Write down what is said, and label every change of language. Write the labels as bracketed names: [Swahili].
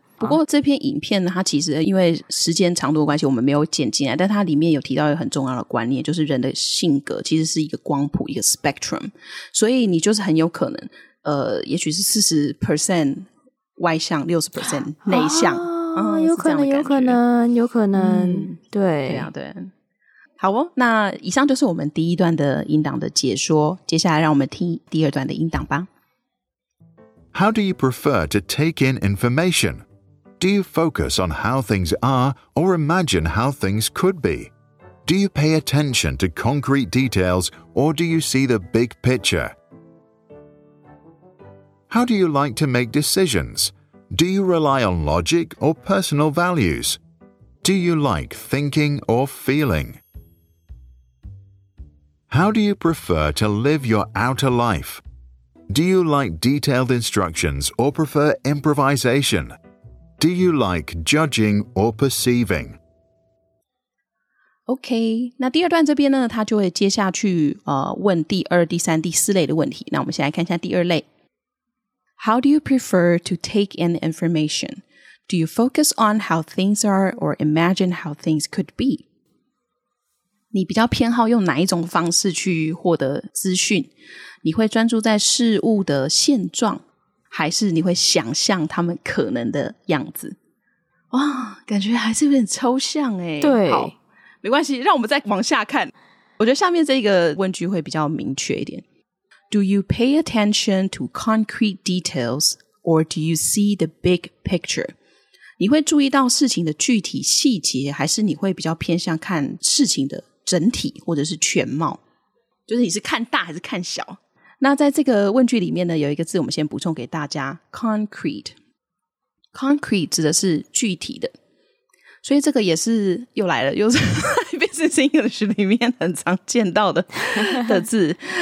[Chinese] 不过这篇影片呢，它其实因为时间长度的关系我们没有剪进来，但它里面有提到一个很重要的观念，就是人的性格其实是一个光谱，一个 spectrum， 所以你就是很有可能也许是 40% 外向 60% 内向、有可能有可能有可能、对对啊，对，好哦，那以上就是我们第一段的音档的解说，接下来让我们听第二段的音档吧。 [English] How do you prefer to take in information? Do you focus on how things are or imagine how things could be? Do you pay attention to concrete details or do you see the big picture? How do you like to make decisions? Do you rely on logic or personal values? Do you like thinking or feeling? How do you prefer to live your outer life? Do you like detailed instructions or prefer improvisation? Do you like judging or perceiving? [Chinese] OK, 那第二段这边呢，他就会接下去问第二、第三、第四类的问题。那我们先来看一下第二类。 [English] How do you prefer to take in information? Do you focus on how things are or imagine how things could be? [Chinese] 你比较偏好用哪一种方式去获得资讯？你会专注在事物的现状，还是你会想象他们可能的样子？哇，感觉还是有点抽象耶。对，好，没关系，让我们再往下看。我觉得下面这个问句会比较明确一点。 [English] Do you pay attention to concrete details or do you see the big picture? [Chinese] 你会注意到事情的具体细节，还是你会比较偏向看事情的整体或者是全貌？就是你是看大还是看小？那在这个问句里面呢，有一个字我们先补充给大家， concrete。 concrete 指的是具体的，所以这个也是又来了，又是Business English 里面很常见到的字。